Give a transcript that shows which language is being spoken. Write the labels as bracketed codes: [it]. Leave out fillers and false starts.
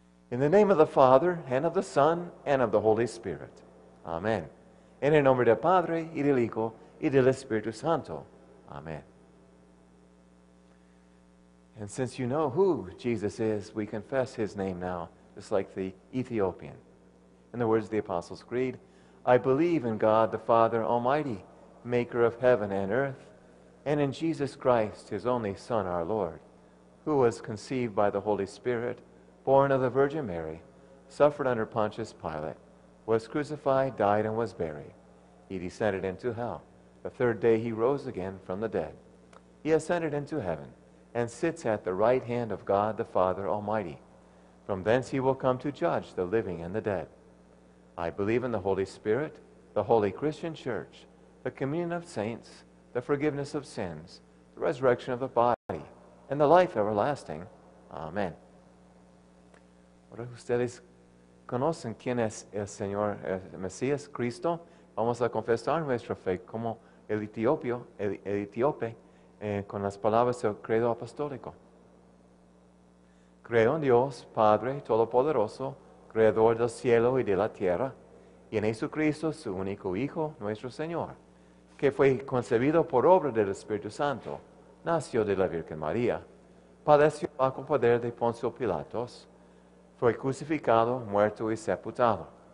[en] In the name of the Father, and of the Son, and of the Holy Spirit. Amen. [es] En el nombre del Padre, y del Hijo, y del Espíritu Santo. Amen. [en] And since you know who Jesus is, we confess his name now, just like the Ethiopian. In the words of the Apostles' Creed, I believe in God the Father Almighty, maker of heaven and earth, and in Jesus Christ, his only Son, our Lord, who was conceived by the Holy Spirit, born of the Virgin Mary, suffered under Pontius Pilate, was crucified, died, and was buried. He descended into hell. The third day he rose again from the dead. He ascended into heaven and sits at the right hand of God the Father Almighty. From thence he will come to judge the living and the dead. I believe in the Holy Spirit, the Holy Christian Church, the communion of saints, the forgiveness of sins, the resurrection of the body, and the life everlasting. Amen. [es] Ahora ustedes conocen quién es el Señor, el Mesías, Cristo. Vamos a confesar nuestra fe como el etiopio, el etíope, con las palabras del credo apostólico. Creo en Dios, Padre Todopoderoso, Creador del cielo y de la tierra, y en Jesucristo, su único Hijo, nuestro Señor, que fue concebido por obra del Espíritu Santo, nació de la Virgen María, padeció bajo el poder de Poncio Pilatos, fue crucificado, muerto y sepultado,